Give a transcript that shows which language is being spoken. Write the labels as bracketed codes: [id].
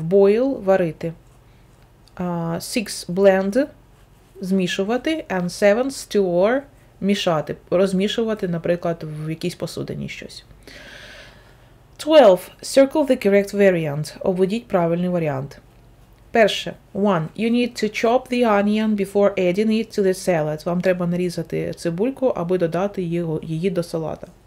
[en] Boil – варити. 6. Blend – змішувати. And 7. Stir – мішати. [uk] Розмішувати, наприклад, в якійсь посудині щось. [en] 12. Circle the correct variant. [uk] Обведіть правильний варіант. Перше. 1. [en] You need to chop the onion before adding it to the salad. [uk] Вам треба нарізати цибульку, аби додати її до салата.